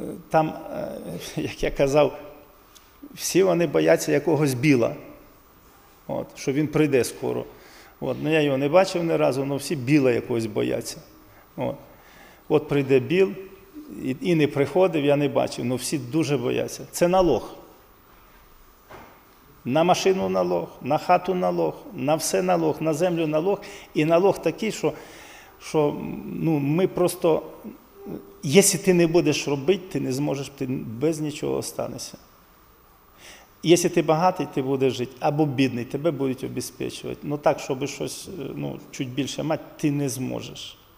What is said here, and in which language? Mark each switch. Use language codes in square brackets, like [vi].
[ru] Там, как я сказал, все они боятся какого-то Билла, что он придет скоро. Вот. [uk] Ну, [ru] я его [uk] не бачив ни разу, но всі Біла якогось бояться. От. От прийде Біл і не приходив, я не бачив, але всі дуже бояться. Це налог. На машину налог, на хату налог, на все налог, на землю налог. І налог такий, що ну, ми просто, якщо ти не будеш робити, ти не зможеш, ти без нічого останешся. Якщо ти багатий, ти будеш жити, або бідний, тебе будуть обезпечувати. Ну так, щоб щось ну, чуть більше мати, ти не зможеш.